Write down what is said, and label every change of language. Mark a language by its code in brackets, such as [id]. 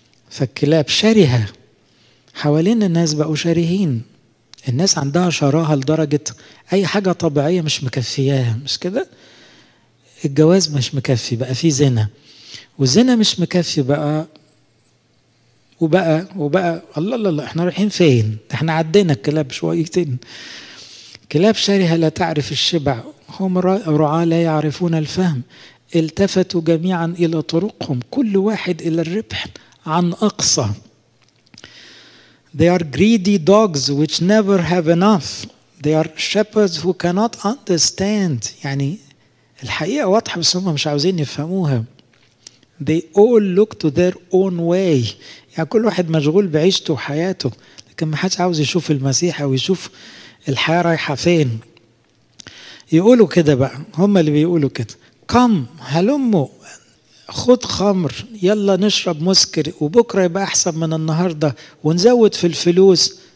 [ar] فالكلاب شرهة، حوالين الناس بقوا شرهين، الناس عندها شراهة لدرجة أي حاجة طبيعية مش مكفياها، مش كده؟ الجواز مش مكفي بقى فيه زنا، والزنا مش مكفي بقى وبقى الله الله الله، احنا رايحين فين؟ احنا عدينا الكلاب شويتين. كلاب شرهة لا تعرف الشبع، هم رعاة لا يعرفون الفهم، التفتوا جميعا إلى طرقهم، كل واحد إلى الربح عن أقصى. [en] They are greedy dogs which never have enough. They are shepherds who cannot understand. [ar] يعني الحقيقة واضحة بس هم مش عاوزين يفهموها. [en] They all look to their own way. [ar] يعني كل واحد مشغول بعيشته وحياته، لكن ما حدش عاوز يشوف المسيح أو يشوف الحياة رايحة فين. يقولوا كده بقى، هم اللي بيقولوا كده، قم هلمه خد خمر يلا نشرب مسكر، وبكرة يبقى أحسن من النهاردة، ونزود في الفلوس.